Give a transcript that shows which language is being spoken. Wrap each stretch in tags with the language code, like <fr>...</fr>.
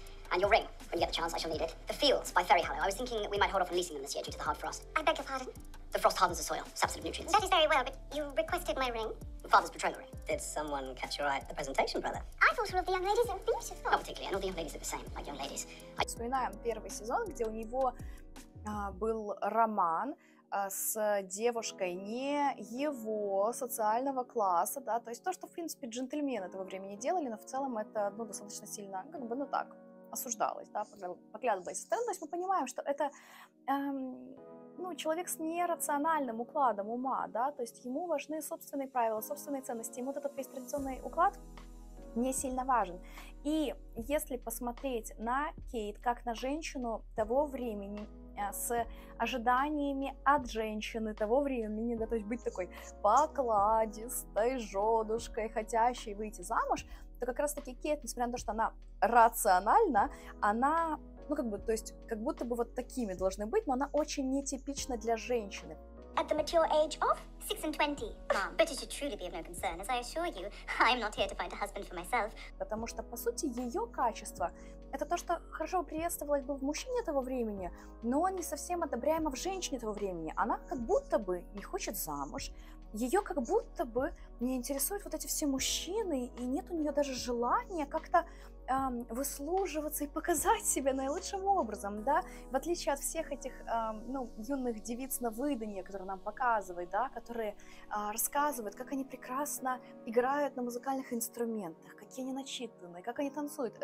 <en>And your ring, when you get the chance, I shall need it. The fields by Fairy Hollow. I was thinking we might hold off releasing them this year due to the hard frost. I beg your pardon? The frost hardens the soil, saps it of nutrients. That is very well, but you requested my ring. Father's betrothal ring. Did someone catch your eye at the presentation, brother? I thought all of the young ladies are beautiful. Not particularly, and all the young ladies are the same, like young ladies.</en> <ru>Вспоминаем первый сезон, где у него был роман с девушкой не его социального класса, да, то есть то, что, в принципе, джентльмены этого времени делали, но в целом это, ну, достаточно сильно, как бы, ну, так. Осуждалась, да, поглядывалась со стороны, то есть мы понимаем, что это ну, человек с нерациональным укладом ума, да, то есть ему важны собственные правила, собственные ценности, ему вот этот весь традиционный уклад не сильно важен. И если посмотреть на Кейт как на женщину того времени, с ожиданиями от женщины того времени, да, то есть быть такой покладистой женушкой, хотящей выйти замуж, то как раз-таки Кейт, несмотря на то, что она рациональна, она, ну, как бы, то есть, как будто бы вот такими должны быть, но она очень нетипична для женщины.</ru> <en>At the mature age of 6 and 20, mom, but it should truly be of no concern, as I assure you, I'm not here to find a husband for myself.</en> <ru>Потому что, по сути, ее качество – это то, что хорошо приветствовалось бы в мужчине того времени, но не совсем одобряемо в женщине того времени. Она как будто бы не хочет замуж, ее как будто бы не интересуют вот эти все мужчины, и нет у нее даже желания как-то выслуживаться и показать себя наилучшим образом, да, в отличие от всех этих, ну, юных девиц на выданье, которые нам показывают, да, которые рассказывают, как они прекрасно играют на музыкальных инструментах, какие они начитанные, как они танцуют.</ru>